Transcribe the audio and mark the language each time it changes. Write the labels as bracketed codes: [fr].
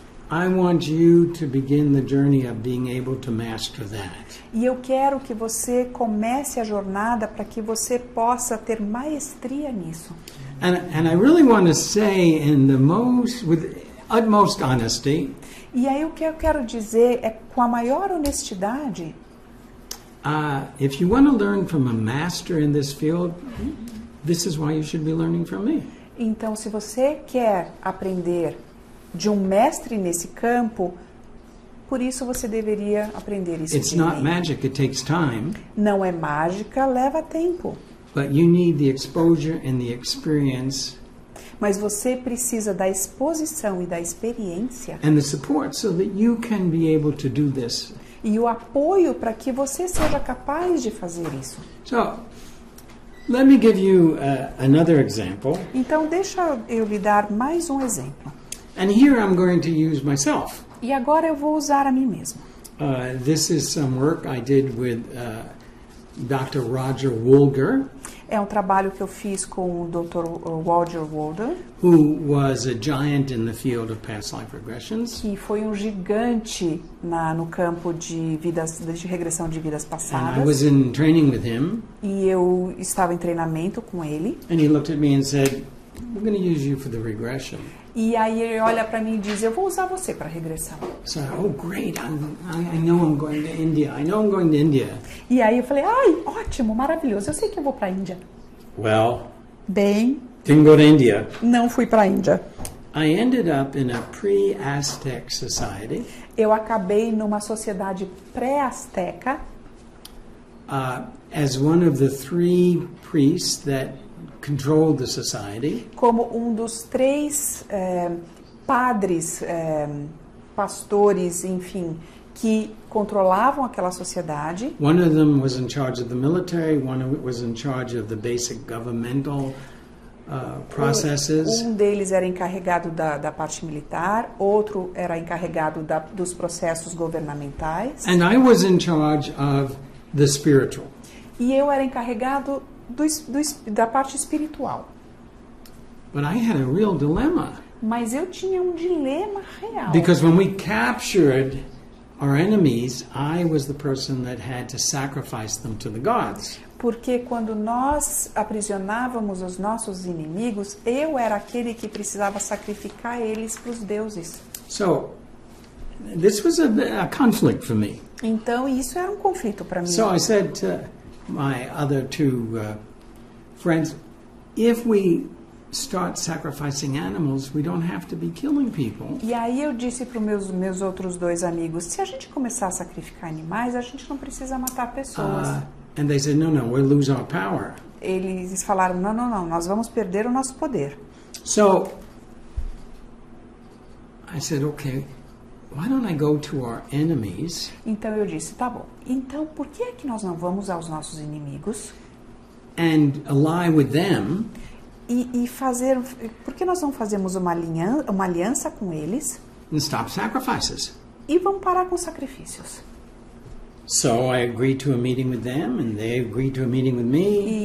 [en] I want you to begin the journey of being able to master that. [pt] E eu quero que você comece a jornada para que você possa ter maestria nisso. [en] And I really want to say in the most with utmost honesty. [pt] E aí o que eu quero dizer é com a maior honestidade. [en] If you want to learn from a master in this field, this is why you should be learning from me. [pt] Então se você quer aprender de um mestre nesse campo, por isso você deveria aprender isso. [en] It's not magic, it takes time. [pt] Não é mágica, leva tempo. [en] But you need the exposure and the experience. [pt] Mas você precisa da exposição e da experiência. [en] And the support so that you can be able to do this. [pt] E o apoio para que você seja capaz de fazer isso. [en] So, let me give you another example. [pt] Então deixa eu lhe dar mais um exemplo. [en] And here I'm going to use myself. [pt] E agora eu vou usar a mim mesmo. [en] This is some work I did with Dr. Roger Wolger. [pt] É um trabalho que eu fiz com o Dr. Roger Wolger. [en] Who was a giant in the field of past life regressions. [pt] Que foi um gigante no campo de regressão de vidas passadas. [en] And I was in training with him. [pt] E eu estava em treinamento com ele. [en] And he looked at me and said, "We're going to use you for the regression." [pt] E aí ele olha para mim e diz, eu vou usar você para regressar. [en] So, oh, great, I know I'm going to India. I know I'm going to India. [pt] E aí eu falei, ai, ótimo, maravilhoso, eu sei que eu vou para a Índia. [en] Well, [pt] bem, [en] didn't go to India. [pt] Não fui para a Índia. [en] I ended up in a pre-Aztec society. [pt] Eu acabei numa sociedade pré-Azteca. [en] As one of the 3 priests that controlled the society. [pt] Como dos 3 padres, pastores, enfim, que controlavam aquela sociedade. [en] One of them was in charge of the military, one of them was in charge of the basic governmental processes. [pt] Um deles era encarregado da parte militar, outro era encarregado dos processos governamentais. [en] And I was in charge of the spiritual. [pt] E eu era encarregado da parte espiritual. [en] But I had a real dilemma. [pt] Mas eu tinha dilema real. [en] Because when we captured our enemies, I was the person that had to sacrifice them to the gods. [pt] Porque quando nós aprisionávamos os nossos inimigos, eu era aquele que precisava sacrificar eles para os deuses. [en] So, this was a conflict for me. [pt] Então, isso era conflito para mim. [en] So I said to my other 2 friends, if we start sacrificing animals, we don't have to be killing people. [pt] E aí eu disse para os meus outros 2 amigos, se a gente começar a sacrificar animais, a gente não precisa matar pessoas. [en] And they said, no, we'll lose our power. [pt] Eles falaram, não, nós vamos perder o nosso poder. [en] So, I said, okay. Why don't I go to our enemies? [pt] Então eu disse, tá bom. Então por que é que nós não vamos aos nossos inimigos? [en] And ally with them? [pt] E fazer, por que nós não fazemos uma aliança com eles? [en] and stop sacrifices. [pt] E vamos parar com sacrifícios. [en] So I agreed to a meeting with them and they agreed to a meeting with me.